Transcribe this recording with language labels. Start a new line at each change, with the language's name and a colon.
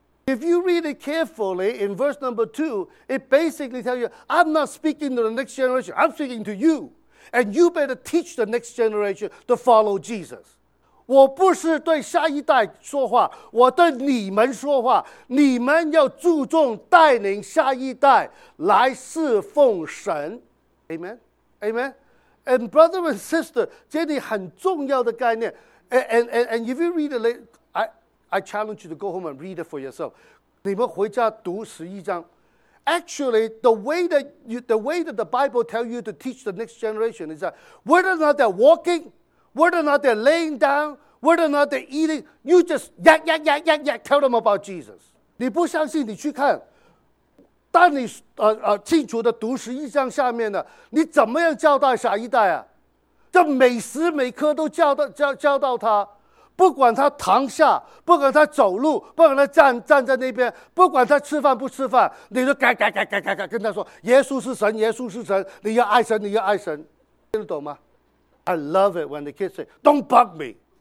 English: If you read it carefully in verse number 2, it basically tells you, I'm not speaking to the next generation, I'm speaking to you. And you better teach the next generation to follow Jesus.
Chinese: 我不是对下一代说话，我对你们说话，你们要注重带领下一代来侍奉神。
English: Amen? Amen? And brother and sister,
Chinese: 这里很重要的概念。
English: And if you read it later,I challenge you to go home and read it for yourself.
Chinese: 你们回家读十一章。
English: Actually, the way that the Bible tells you to teach the next generation is that whether or not they're walking, whether or not they're laying down, whether or not they're eating, you just yak, yak, yak, yak, yak, tell them about Jesus.
Chinese: 你不相信你去看。当你清楚地读十一章下面的，你怎么样教导下一代啊？就每时每刻都教导他。不管他躺下，不管他走路，不管他 站在那边，不管他吃饭不吃饭，你就改改改改改改跟他说，耶稣是神，耶稣是神，你要爱神，你要爱神，听得懂吗？
English: I love it when the kids say, don't bug me.